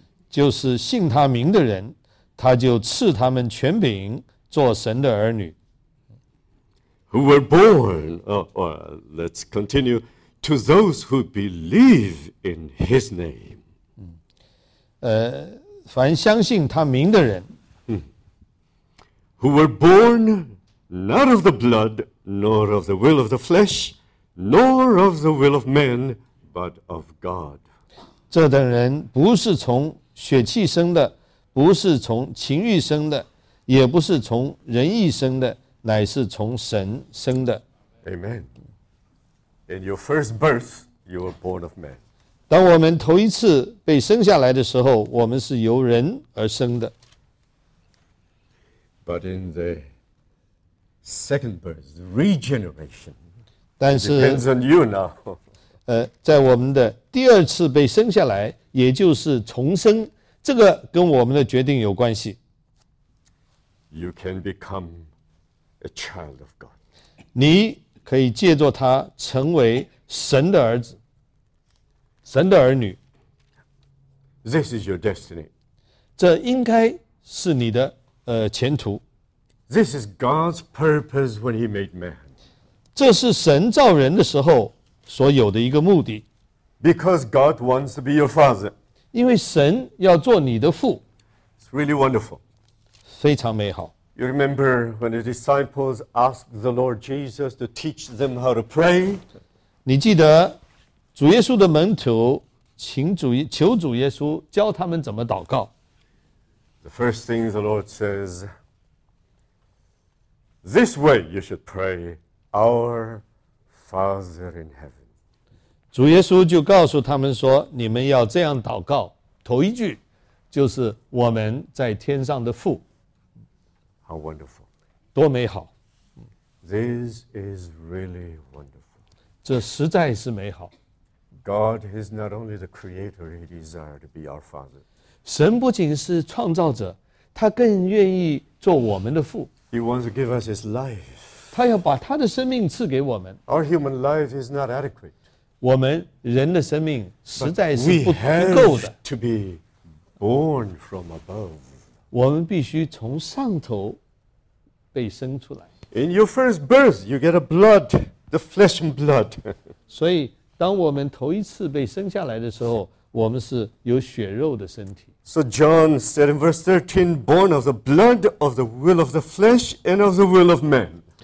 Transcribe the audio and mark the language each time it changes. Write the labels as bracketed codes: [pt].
[zh] 就是信他名的人，他就赐他们权柄做神的儿女。 [en] Who were born, or let's continue, to those who believe in his name. [zh] 凡相信他名的人 [en] Who were born,Not of the blood, nor of the will of the flesh, nor of the will of man, but of God. [zh] 这等人不是从血气生的，不是从情欲生的，也不是从人意生的，乃是从神生的。 [en] Amen. In your first birth, you were born of man. [zh] 当我们头一次被生下来的时候，我们是由人而生的。 [en] But in the Second birth, regeneration. [zh] 但是 [en] depends on you now. [zh] 在我们的第二次被生下来，也就是重生，这个跟我们的决定有关系。 [en] You can become a child of God. [zh] 你可以借着他成为神的儿子，神的儿女。 [en] This is your destiny. [zh] 这应该是你的前途。 [en] This is God's purpose when he made man. [zh] 这是神造人的时候所有的一个目的。 [en] Because God wants to be your father. [zh] 因为神要做你的父。 [en] It's really wonderful. [zh] 非常美好。 [en] You remember when the disciples asked the Lord Jesus to teach them how to pray? [zh] 你记得主耶稣的门徒求主耶稣教他们怎么祷告。 [en] The first thing the Lord says,This way you should pray, Our Father in heaven. [zh] 主耶稣就告诉他们说，你们要这样祷告。头一句，就是我们在天上的父。 [en] How wonderful. [zh] 多美好。 [en] This is really wonderful. [zh] 这实在是美好。 [en] God is not only the creator, he desires to be our father. [zh] 神不仅是创造者，他更愿意做我们的父。 [en] He wants to give us his life. [zh] 他要把他的生命赐给我们。 [en] Our human life is not adequate. [zh] 我们人的生命实在是不够的。 [en] But we have to be born from above. [zh] 我们必须从上头被生出来。 [en] In your first birth, you get a blood, the flesh and blood. [zh] 所以当我们头一次被生下来的时候，我们是有血肉的身体。 [en] So John said in verse 13, born of the blood of the will of the flesh and of the will of man.